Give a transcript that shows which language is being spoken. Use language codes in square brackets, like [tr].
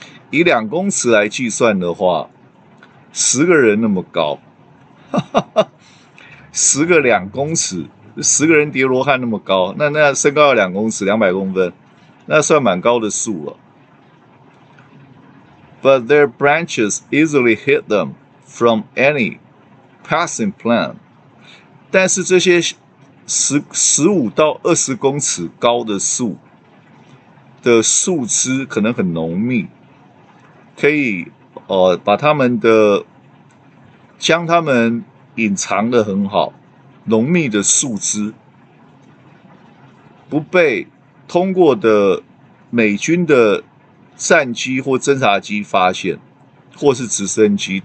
[zh] 以两公尺来计算的话，十个人那么高。十个两公尺，十个人叠罗汉那么高，那身高要两公尺，200公分，那算蛮高的树了。 [en] But their branches easily hit them from any passing plant. [zh] 但是这些15到20公尺高的树的树枝可能很浓密，可以，把他们的将他们隐藏得很好，浓密的树枝不被通过的美军的战机或侦察机发现，或是直升机。